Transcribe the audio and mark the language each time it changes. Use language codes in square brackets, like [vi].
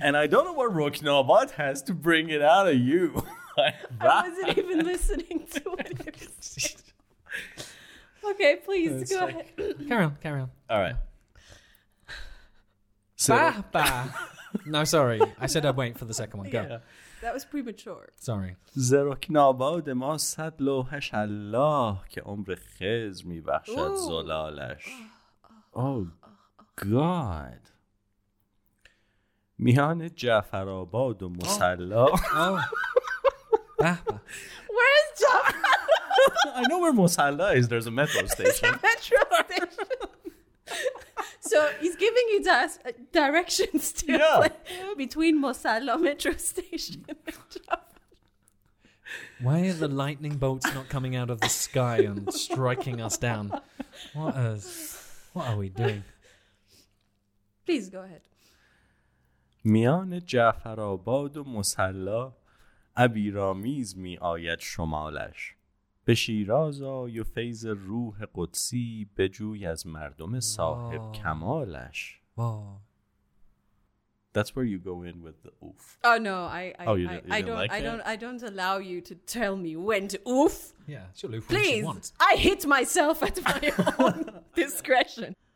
[en] And I don't know what Roknobot has to bring it out of you. I wasn't even listening to what you said. Okay, please, go ahead. Carry on. All right. So, bah, bah. No, sorry. I said I'd wait for the second one. Go. Yeah. That was premature. Sorry. [fa] زرکن آباد ما صد لوحش الله که عمر خضر می بخشد زلالش. [en] Oh, God. [fa] میان جعفر آباد و مسلا. [en] Where is Jafar? I know where مسلا is. There's a metro station. There's a metro station. So he's giving you directions to play between Mosalla metro station and Jaffa. Why are the lightning bolts not coming out of the sky and striking us down? What are we doing? Please go ahead. [fa] میان جعفرآباد و مصلا ابیرآمیز می آید شمالش. به شیراز آی و فیض روح قدسی بجوی از مردم صاحب کمالش. [en] That's where you go in with the oof. I don't allow you to tell me when to oof. Yeah, it's your oof. Please, I hit myself at my own discretion.